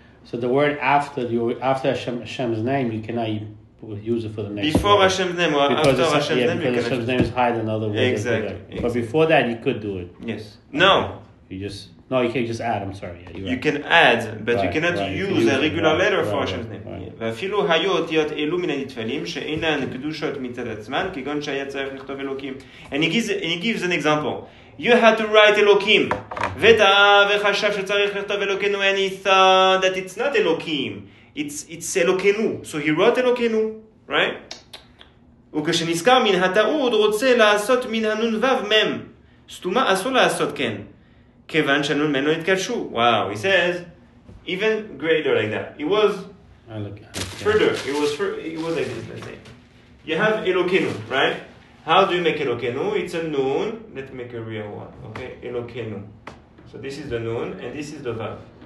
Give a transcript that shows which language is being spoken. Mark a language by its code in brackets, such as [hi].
[en] So the word after Hashem's name, you cannot use it for the next before word. Hashem's name or because after Hashem's name, because Hashem's name is higher than other words. Yeah, exactly. But before that, you could do it. Yes. No. You can just add. I'm sorry. Yeah, you can add, but you cannot use a regular letter for Hashem's name. [he] ואפילו היו אותיות אלו מן הנתפלים שאינן קדושות מצד עצמן כגון שהיה צריך לכתוב אלוקים. [en] And he gives an example. You had to write אלוקים, [he] וחשב שצריך לכתוב אלוקינו, [en] and he thought that it's not אלוקים, it's אלוקינו. So he wrote אלוקינו, right? [he] וכשנזכר מן הטעות רוצה לעשות מן הנון וו מם סתומה, אסור לעשות כן, כיוון שנון מנו התקדשו. [en] Wow, he says even greater like that. It was it was like this, let's say. You have Elokeinu, right? How do you make Elokeinu? It's a nun. Let's make a real one, okay? Elokeinu. So this is the nun, and this is the vav.